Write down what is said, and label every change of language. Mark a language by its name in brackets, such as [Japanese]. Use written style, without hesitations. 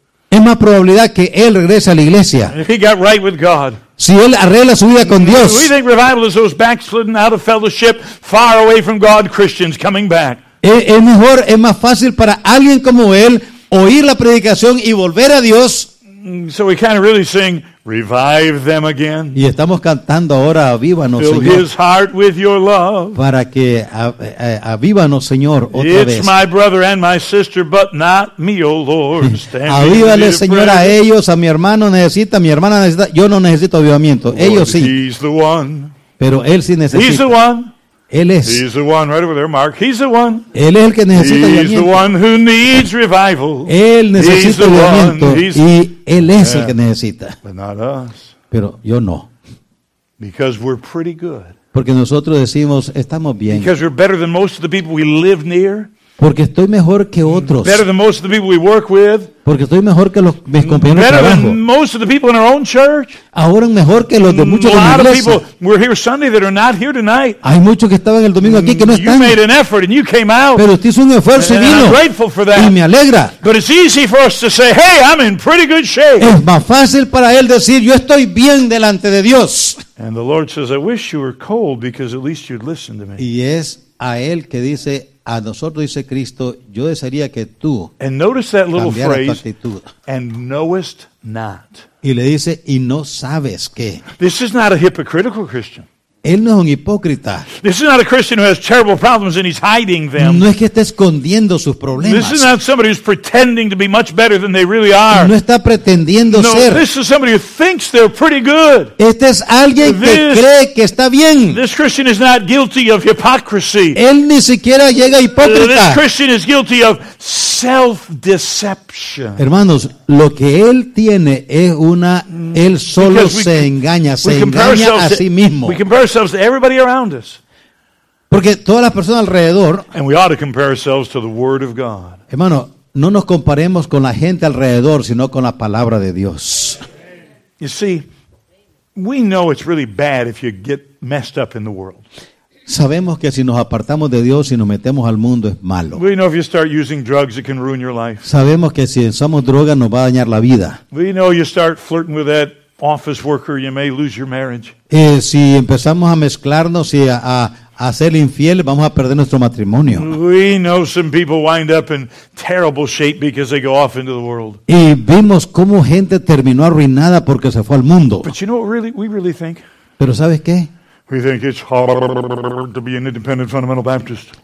[Spanish] Es más probabilidad que él regrese a la iglesia si él arregla su vida con Dios. [English] We think revival is those backslidden out of fellowship, far away from God Christians coming back. [Spanish] Es mejor, es más fácil para alguien como él oír la predicación y volver a Dios. [English] So we kind of really sing, revive them again. [Spanish] Y estamos cantando ahora, avívanos, [English] Señor. Fill his heart with your love. [Spanish] Para que avívanos, Señor, otra vez. [English] It's my brother and my sister, but not me, oh Lord. [Spanish] Avívale, Señor, a ellos, a mi hermano necesita, mi hermana necesita. Yo no necesito avivamiento. Ellos sí. [English] He's the one. [Spanish] Pero él sí necesita. [English] He's the one. [Spanish] Él es. [English] He's the one right over there, Mark. He's the one. [Spanish] Él es el que necesita avivamiento. [English] He's the one who needs revival. [Spanish] Él necesita avivamiento. Y él es el que necesita. [English] But not us. [Spanish] Pero yo no. [English] Because we're pretty good. [Spanish] Porque nosotros decimos, estamos bien. [English] Because we're better than most of the people we live near. [Spanish] Porque estoy mejor que otros. [English] Better than most of the people we work with. [Spanish] Porque estoy mejor que los mis compañeros de trabajo. [English] Better than most of the people in our own church. [Spanish] Ahora mejor que los de muchos de mi iglesia. [English] A lot of people were here Sunday that are not here tonight. [Spanish] Hay muchos que estaban el domingo aquí que no están. [English] You made an effort and you came out. [Spanish] Pero usted hizo un esfuerzo y vino. [English] I'm grateful for that. [Spanish] Y me alegra. [English] But it's easy for us to say, hey, I'm in pretty good shape. [Spanish] Es más fácil para él decir, yo estoy bien delante de Dios. [English] And the Lord says, I wish you were cold because at least you'd listen to me. [Spanish] Y es a él que dice, a nosotros dice Cristo, yo desearía que tú cambiaras tu actitud. [English] And knowest not. [Spanish] Y le dice, y no sabes qué. [English] This is not a hypocritical Christian. [Spanish] Él no es un hipócrita. [English] This is not a Christian who has terrible problems and he's hiding them. [Spanish] No es que esté escondiendo sus problemas. [English] This is not somebody who's pretending to be much better than they really are. [Spanish] No está pretendiendo ser. [English] No, this is somebody who thinks they're pretty good. [Spanish] Este es alguien que cree que está bien. [English] This Christian is not guilty of hypocrisy. [Spanish] Él ni siquiera llega hipócrita. [English] This Christian is guilty of self-deception. [Spanish] Hermanos, lo que él tiene es una, él solo se engaña, se engaña a sí mismo. [English] Ourselves to everybody around us. [Spanish] Porque todas las personas alrededor. [English] And we ought to compare ourselves to the Word of God. [Spanish] Hermano, no nos comparemos con la gente alrededor, sino con la palabra de Dios. [English] You see, we know it's really bad if you get messed up in the world. [Spanish] Sabemos que si nos apartamos de Dios y nos metemos al mundo es malo. [English] We know if you start using drugs, it can ruin your life. [Spanish] Sabemos que si usamos drogas nos va a dañar la vida. [English] We know you start flirting with that office worker, you may lose your marriage. [Spanish] Si empezamos a mezclarnos y a ser infiel, vamos a perder nuestro matrimonio. [English] We know some people wind up in terrible shape because they go off into the world. [Spanish] Y vimos cómo gente terminó arruinada porque se fue al mundo. [English] But you know what we really think? [Spanish] Pero ¿sabes qué? [English] We think it's hard to be an independent fundamental Baptist.